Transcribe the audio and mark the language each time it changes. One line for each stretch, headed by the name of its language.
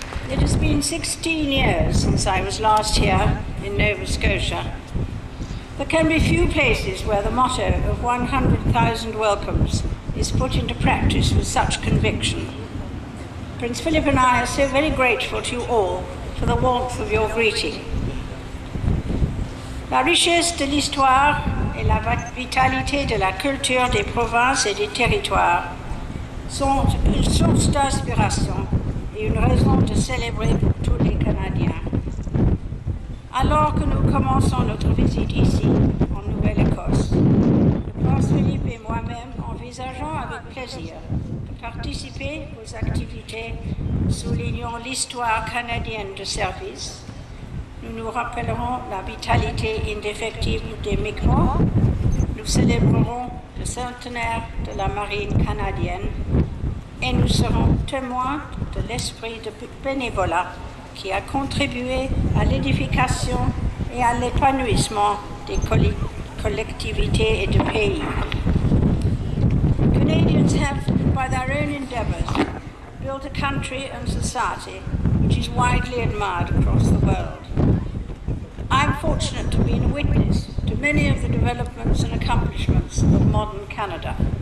English: It has been 16 years since I was last here in Nova Scotia. There can be few places where the motto of 100,000 welcomes is put into practice with such conviction. Prince Philip and I are so very grateful to you all for the warmth of your greeting.
French: La richesse de l'histoire et la vitalité de la culture des provinces et des territoires sont une source d'inspiration et une raison de célébrer pour tous les Canadiens. Alors que nous commençons notre visite ici, en Nouvelle-Écosse, le prince Philippe et moi-même envisageons avec plaisir de participer aux activités soulignant l'histoire canadienne de service. Nous nous rappellerons la vitalité indéfectible des migrants. Nous célébrerons le centenaire de la marine canadienne et nous serons témoins de l'esprit de bénévolat qui a contribué à l'édification et à l'épanouissement des collectivités et du pays.
English: Canadians have, by their own endeavors, built a country and society which is widely admired across the world. I'm fortunate to be a witness to many of the developments and accomplishments of modern Canada.